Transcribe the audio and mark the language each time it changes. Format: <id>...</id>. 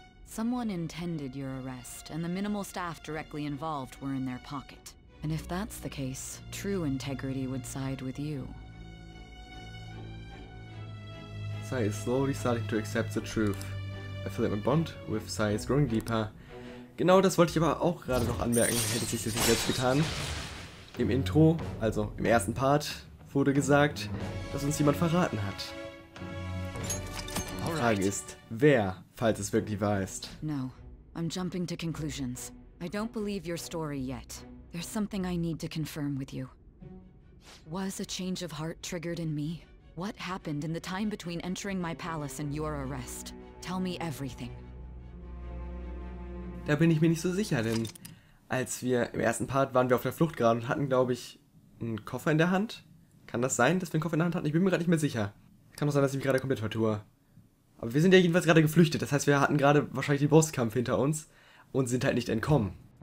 <en>Someone intended your arrest, and the minimal staff directly involved were in their pocket. And if that's the case, true integrity would side with you. Sai is slowly starting to accept the truth. I feel that my bond with Sai is growing deeper.</en> <de>Genau das wollte ich aber auch gerade noch anmerken, hätte sich das nicht selbst getan. Im Intro, also im ersten Part, wurde gesagt, dass uns jemand verraten hat. Die Frage ist, wer, falls es wirklich wahr ist.</de> <en>No, I'm jumping to conclusions. I don't believe your story yet. There's something I need to confirm with you. Was a change of heart triggered in me? What happened in the time between entering my palace and your arrest? Tell me everything.</en> <de>Da bin ich mir nicht so sicher, denn als wir im ersten Part waren wir auf der Flucht gerade und hatten, glaube ich, einen Koffer in der Hand. Kann das sein, dass wir einen Koffer in der Hand hatten? Ich bin mir gerade nicht mehr sicher. Kann auch sein, dass ich mich gerade komplett vertue. Aber wir sind ja jedenfalls gerade geflüchtet, das heißt, wir hatten gerade wahrscheinlich den Bosskampf hinter uns und sind halt nicht entkommen.</de>